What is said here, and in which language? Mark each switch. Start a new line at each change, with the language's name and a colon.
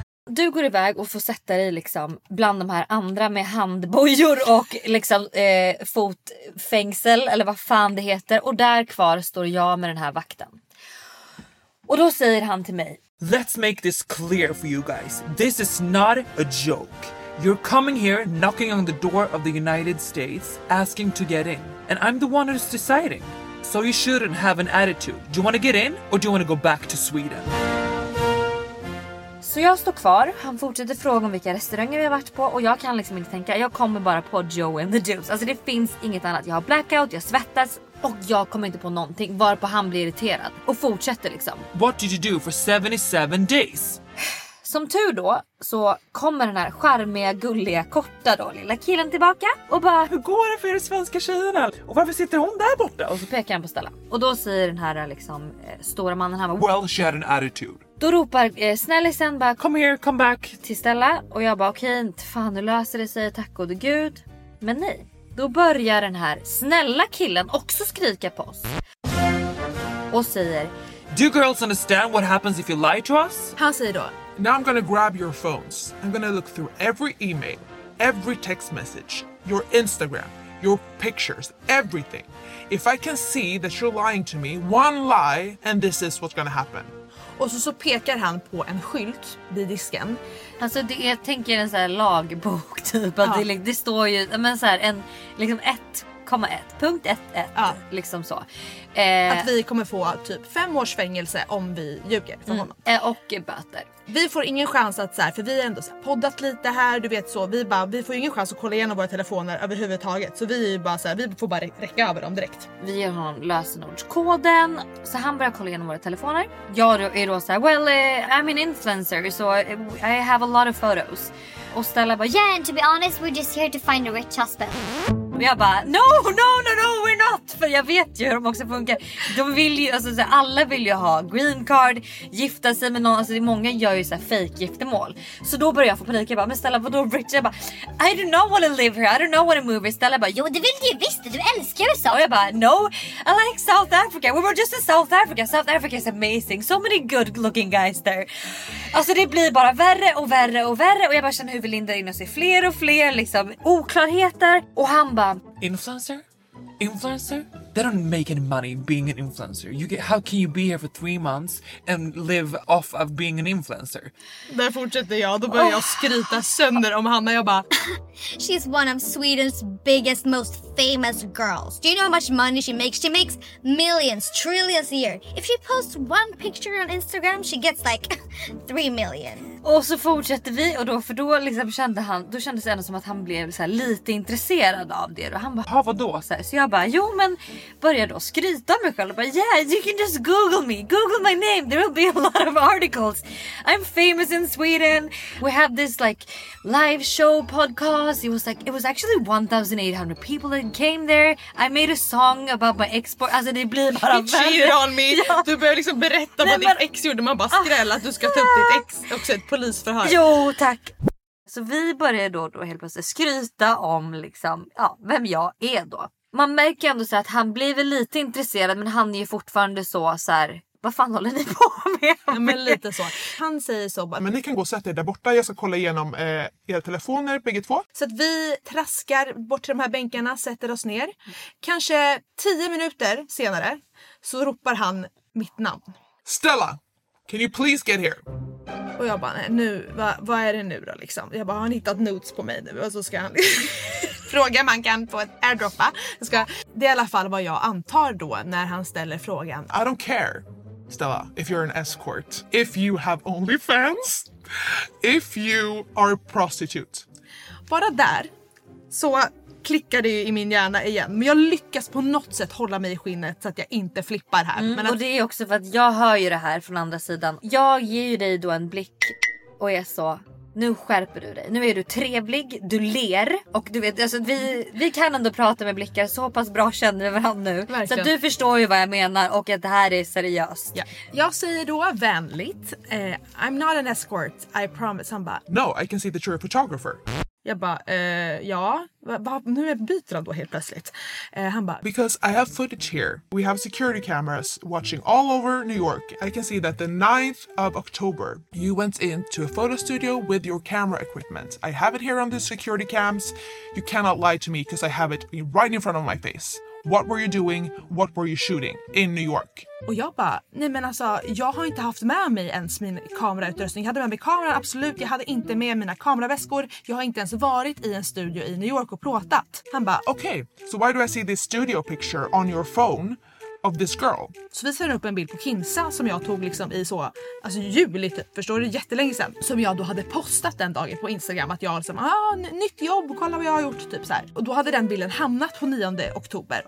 Swedish: Du går iväg och får sätta dig liksom bland de här andra med handbojor och liksom fotfängsel eller vad fan det heter. Och där kvar står jag med den här vakten. Och då säger han till mig,
English: let's make this clear for you guys. This is not a joke. You're coming here knocking on the door of the United States asking to get in. And I'm the one who's deciding. So you shouldn't have an attitude. Do you want to get in or do you want to go back to Sweden?
Swedish: Så jag står kvar, han fortsätter fråga om vilka restauranger vi har varit på och jag kan liksom inte tänka, jag kommer bara på Joe and the Juice. Alltså det finns inget annat, jag har blackout, jag svettas och jag kommer inte på någonting, varpå han blir irriterad och fortsätter liksom.
English: What did you do for 77 days?
Swedish: Som tur då så kommer den här charmiga, gulliga, korta då lilla killen tillbaka och bara, hur går det för er svenska tjejerna? Och varför sitter hon där borta? Och så pekar han på Stella. Och då säger den här liksom stora mannen här,
English: well, she had an attitude.
Swedish: Då ropar snällisen bara,
English: come here, come back,
Swedish: till Stella. Och jag bara, okej, fan, nu löser det sig, tack och gud. Men nej, då börjar den här snälla killen också skrika på oss. Och säger,
English: do you girls understand what happens if you lie to us?
Swedish: Han säger då,
English: now I'm gonna grab your phones. I'm gonna look through every email, every text message, your Instagram, your pictures, everything. If I can see that you're lying to me, one lie, and this is what's gonna happen.
Swedish: Och så pekar han på en skylt vid disken. Alltså det är, jag tänker en så här lagbok typ, att ja. det står ju men så här en liksom 1,1.11 ja. Liksom så. Att vi kommer få typ 5 års fängelse om vi ljuger för honom. Och böter. Vi får ingen chans att så här, för vi har ändå så här, poddat lite här, du vet så, vi får ingen chans att kolla igenom våra telefoner överhuvudtaget. Så vi är ju bara så här, vi får bara räcka över dem direkt. Vi ger honom lösenordskoden, så han börjar kolla igenom våra telefoner. Jag är då så här,
English: well, I'm an influencer, so I have a lot of photos.
Swedish: Och Stella bara,
English: yeah, and to be honest, we're just here to find a rich husband.
Swedish: Och jag bara,
English: no, we're not?
Swedish: För jag vet ju hur de också funkar. De vill ju, alltså, alla vill ju ha green card, gifta sig med någon. Alltså, många gör ju så här fake giftermål. Så då börjar jag få panik. Jag bara, men Stella, vadå, Richard? Jag bara,
English: I do not want to live here, I do not want to move here.
Swedish: Stella bara, jo, det vill du ju visst, du älskar USA. Och jag bara,
English: no, I like South Africa. We were just in South Africa. South Africa is amazing. So many good looking guys there.
Swedish: Alltså, det blir bara värre och värre och värre. Och jag bara känner hur vi lindar in oss i fler och fler liksom oklarheter. Och han bara,
English: influencer? Influencer? They don't make any money being an influencer. You get, how can you be here for 3 months and live off of being an influencer?
Swedish: Där fortsätter jag. Då börjar jag skrita sönder om Hanna. Jag bara,
English: she's one of Sweden's biggest, most famous girls. Do you know how much money she makes? She makes millions, trillions a year. If she posts one picture on Instagram, she gets like 3 million.
Swedish: Och så fortsätter vi. Och då, för då liksom kände han, då kändes det som att han blev så här lite intresserad av det. Och han bara, ha, vadå? Så jag bara, jo, men börjar då skryta mig själv och bara,
English: yeah, you can just google me, google my name, there will be a lot of articles, I'm famous in Sweden, we have this like live show podcast, it was like, it was actually 1800 people that came there, I made a song about my ex,
Swedish: alltså det blir bara
English: cheer on me, ja.
Swedish: Du börjar liksom berätta, nej, vad din ex gjorde, man bara skrälla att du ska ta upp ditt ex, också ett polisförhör. Jo, tack. Så vi börjar då helt plötsligt skryta om liksom, ja, vem jag är då. Man märker ändå så att han blir väl lite intresserad, men han är ju fortfarande så här, vad fan håller ni på med? Ja, men lite så. Han säger så bara, men ni kan gå och sätta er där borta, jag ska kolla igenom era telefoner, bägge två. Så att vi traskar bort till de här bänkarna, sätter oss ner. Kanske 10 minuter senare så ropar han mitt namn.
English: Stella, can you please get here?
Swedish: Och jag bara, nu, vad är det nu då liksom? Jag bara, har han hittat notes på mig nu? Och så ska han fråga om han kan få ett airdroppa. Ska, det är i alla fall vad jag antar då när han ställer frågan.
English: I don't care, Stella, if you're an escort. If you have OnlyFans. If you are a prostitute.
Swedish: Bara där så klickar det ju i min hjärna igen. Men jag lyckas på något sätt hålla mig i skinnet så att jag inte flippar här. Men och det är också för att jag hör ju det här från andra sidan. Jag ger ju dig då en blick och är så, nu skärper du dig. Nu är du trevlig, du ler. Och du vet, alltså vi kan ändå prata med blickar. Så pass bra känner vi varandra nu. Verkligen. Så att du förstår ju vad jag menar. Och att det här är seriöst.
English: Yeah.
Swedish: Jag säger då vänligt,
English: I'm not an escort, I promise.
Swedish: Han bara,
English: no, I can see that you're a photographer.
Swedish: Jag bara, ja. Nu byter han då helt plötsligt. Han bara,
English: because I have footage here. We have security cameras watching all over New York. I can see that the 9th of October you went into a photo studio with your camera equipment. I have it here on the security cams. You cannot lie to me because I have it right in front of my face. What were you doing? What were you shooting in New York?
Swedish: Och jag bara, nej men alltså, jag har inte haft med mig ens min kamerautrustning. Jag hade med mig kameran, absolut. Jag hade inte med mina kameraväskor. Jag har inte ens varit i en studio i New York och pratat. Han bara, okay, so why do I see this studio picture on your phone of this girl? Så visar han upp en bild på Kinsa som jag tog liksom i så, alltså juli typ, förstår du, jättelänge sedan. Som jag då hade postat den dagen på Instagram, att jag liksom, nytt jobb, kolla vad jag har gjort, typ så här. Och då hade den bilden hamnat på 9 oktober.